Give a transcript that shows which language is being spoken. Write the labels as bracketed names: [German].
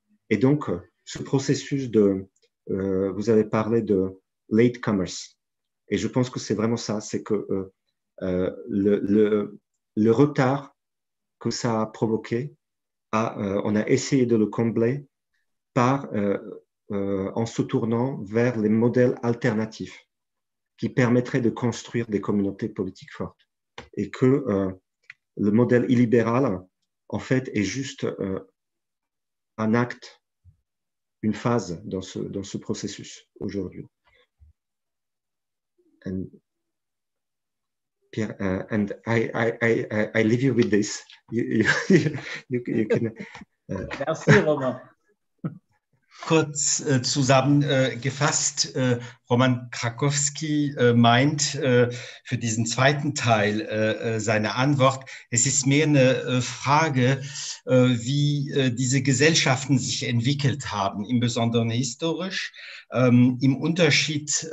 [French] Et donc, ce processus de... vous avez parlé de latecomers, et je pense que c'est vraiment ça, c'est que le retard que ça a provoqué, on a essayé de le combler par en se tournant vers les modèles alternatifs qui permettraient de construire des communautés politiques fortes, et que le modèle illibéral, en fait, est juste un acte, une phase dans ce processus aujourd'hui. [English] And Pierre, and I leave you with this. You can. [French] Merci, Roman. [German] Kurz zusammengefasst, Roman Krakovsky meint für diesen zweiten Teil seiner Antwort, es ist mehr eine Frage, wie diese Gesellschaften sich entwickelt haben, im Besonderen historisch, im Unterschied